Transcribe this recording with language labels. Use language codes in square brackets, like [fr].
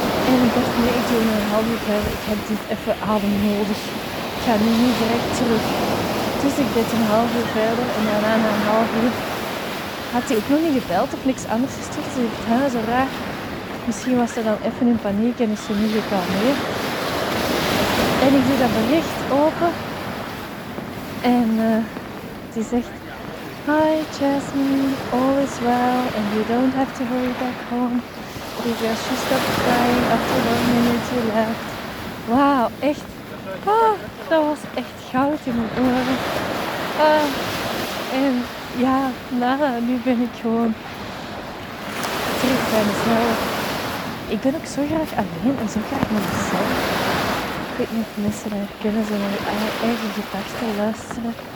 [nl] En ik dacht, nee, ik doe een halve keer. Ik heb dit even adem nodig. Ik ga nu niet direct terug. Dus ik deed een half uur verder en daarna na een half uur had hij ook nog niet gebeld of niks anders gestuurd. Dus ik dacht, zo raar. Misschien was hij dan even in paniek en is hij niet gekalmeerd. En ik doe dat bericht open. En die zegt, [en] hi Jasmine, all is well and you don't have to hurry back home. Because she stopped crying after 1 minute you left. [nl] Wauw, echt. Oh, dat was echt goud in mijn oren. En ja, nou, nu ben ik gewoon terug bij mezelf. Ik ben ook zo graag alleen en zo graag met mezelf. Ik weet niet of mensen dat herkennen, zo naar je eigen gedachten luisteren.